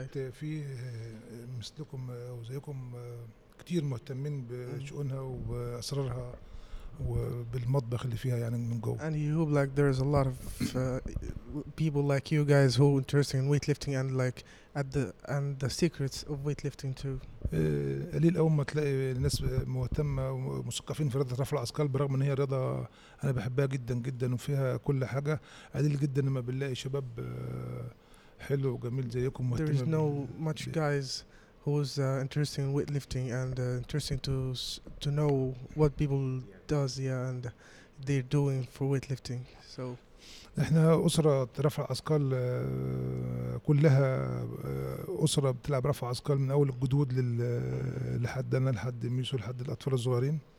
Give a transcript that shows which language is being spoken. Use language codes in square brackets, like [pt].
[ar] في مثلكم او زيكم كتير مهتمين بشؤونها واسرارها وبالمطبخ اللي فيها يعني من جوه. [en] And you hope like there is a lot of people like you guys who are interested in weightlifting and like at the and the secrets of weightlifting too. [ar] قليل أول ما تلاقي الناس مهتمة ومثقفين في رياضة رفع الأثقال برغم إن هي رياضة أنا بحبها جدا جدا وفيها كل حاجة. قليل جدا لما بنلاقي شباب حلو وجميل زيكم مهتمين. [en] There is no much guys who is interested in weightlifting and interested to know what people does, yeah, and they're doing for weightlifting. So [ar] احنا اسره رفع اثقال كلها اسره بتلعب رفع اثقال من اول الجدود لحد انا لحد ميسو لحد الاطفال الصغارين.